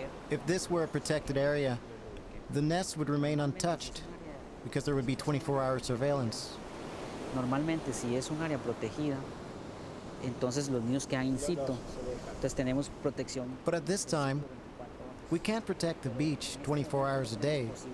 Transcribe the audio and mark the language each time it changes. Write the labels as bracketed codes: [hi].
[en] If this were a protected area, the nests would remain untouched because there would be 24-hour surveillance. [es] Normalmente, si es un área protegida, entonces los niños quedan in situ. Entonces tenemos protección. [en] But at this time, we can't protect the beach 24 hours a day.